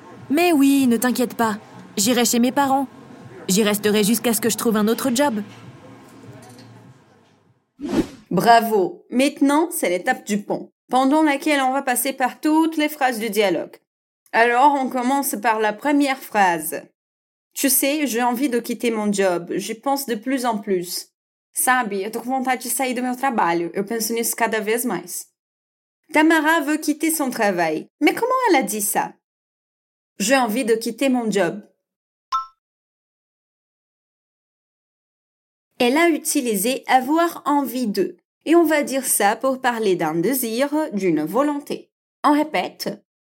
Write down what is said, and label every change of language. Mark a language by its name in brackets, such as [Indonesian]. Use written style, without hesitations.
[French] Mais oui, ne t'inquiète pas. J'irai chez mes parents. J'y resterai jusqu'à ce que je trouve un autre job. Bravo! Maintenant, c'est l'étape du pont, pendant laquelle on va passer par toutes les phrases du dialogue. Alors, on commence par la première phrase. Tu sais, j'ai envie de quitter mon job. J'y pense de plus en plus. [Portuguese] Sabe, eu tô com vontade de sair do meu trabalho. Eu penso nisso cada vez mais. [French] Tamara veut quitter son travail. Mais comment elle a dit ça? J'ai envie de quitter mon job. Elle a utilisé « avoir envie de ». Et on va dire ça pour parler d'un désir, d'une volonté. On répète.